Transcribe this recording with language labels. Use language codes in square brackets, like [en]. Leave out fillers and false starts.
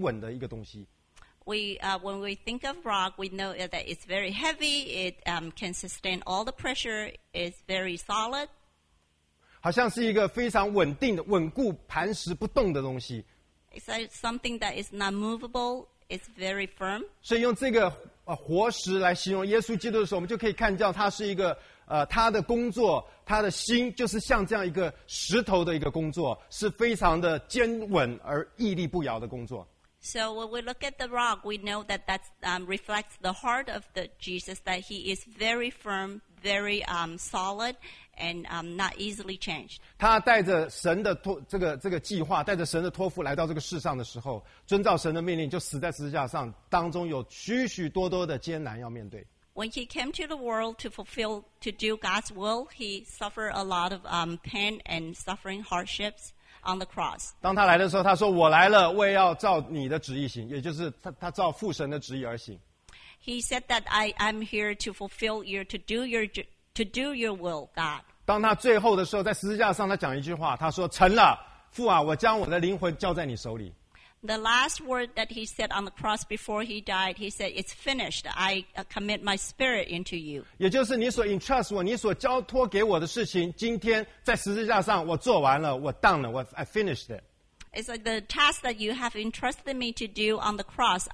[zh] 我们会觉得这是一个很硬的东西，是一个很坚固、可以压、不怕、就是很有重量、非常沉重的一个东西。 [en] We when we think of rock, we know that it's very heavy. It can sustain all the pressure. It's very solid. [zh] 好像是一个非常稳定的、稳固、磐石不动的东西。 [en] It's like something that is not movable. It's very firm. [zh] 所以用这个活石来形容耶稣基督的时候，我们就可以看到他是一个他的工作，他的心就是像这样一个石头的一个工作，是非常的坚稳而屹立不摇的工作。 [en] So when we look at the rock, we know that that reflects the heart of the Jesus, that he is very firm, very solid, and not easily changed. [zh] 他带着神的托这个计划，带着神的托付来到这个世上的时候，遵照神的命令，就死在十字架上，当中有许许多多的艰难要面对。 [en] When he came to the world to fulfill, to do God's will, he suffered a lot of pain and suffering hardships on the cross. [zh] 当他来的时候，他说：“我来了，为要照你的旨意行，也就是他照父神的旨意而行。” [en] He said that I'm here to fulfill your, to do your will, God. [zh] 当他最后的时候，在十字架上，他讲一句话，他说：“成了，父啊，我将我的灵魂交在你手里。” [en] The last word that he said on the cross before he died, he said, "It's finished. I commit my spirit into you." [zh] 也就是你所 [en] entrust [zh] 我，你所交托给我的事情，今天在十字架上我做完了，我 [en] done [zh] 了，我 [en] I finished it. It's like the task that you have entrusted me to do on the cross.